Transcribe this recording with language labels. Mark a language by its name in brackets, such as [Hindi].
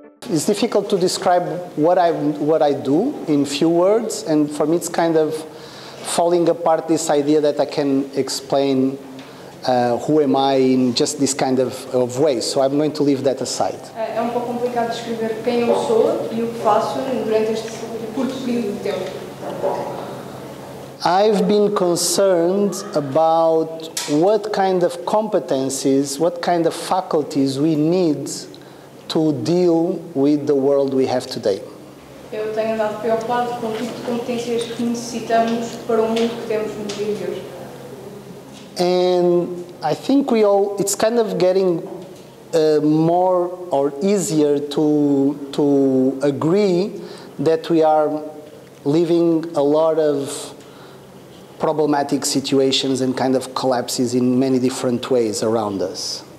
[English] It's difficult to describe what I do in few words, and for me it's kind of falling apart this idea that I can explain who am I in just this kind of way. So I'm going to leave that aside. [Portuguese] É um pouco complicado descrever quem eu sou e o que faço durante este curto período de tempo. [English] I've been concerned about what kind of competencies, what kind of faculties we need to deal with the world we have today. [Portuguese] Eu tenho andado preocupado com o tipo de competências que necessitamos para o mundo que temos no interior. [English] And I think we all, it's kind of getting more or easier to agree that we are living a lot of problematic situations and kind of collapses in many different ways around us.